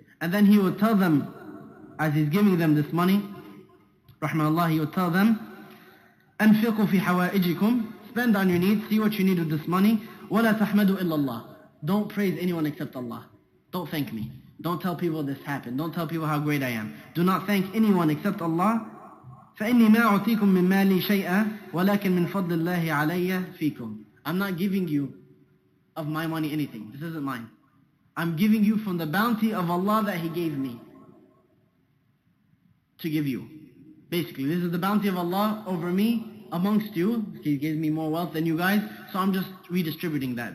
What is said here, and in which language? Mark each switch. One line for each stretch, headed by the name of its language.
English: And then he would tell them, as he's giving them this money, rahmatullah, he would tell them,
Arabic: أَنْفِقُوا فِي حَوَائِجِكُمْ,
English: spend on your needs, see what you need with this money,
Arabic: وَلَا تَحْمَدُوا إِلَّا اللَّهِ,
English: don't praise anyone except Allah. Don't thank me. Don't tell people this happened. Don't tell people how great I am. Do not thank anyone except Allah,
Arabic: فإني ما أعطيكم من مالي شيئا ولكن من فضل الله علي فيكم.
English: I'm not giving you of my money anything. This isn't mine. I'm giving you from the bounty of Allah that He gave me to give you. Basically, this is the bounty of Allah over me amongst you. He gave me more wealth than you guys, so I'm just redistributing that.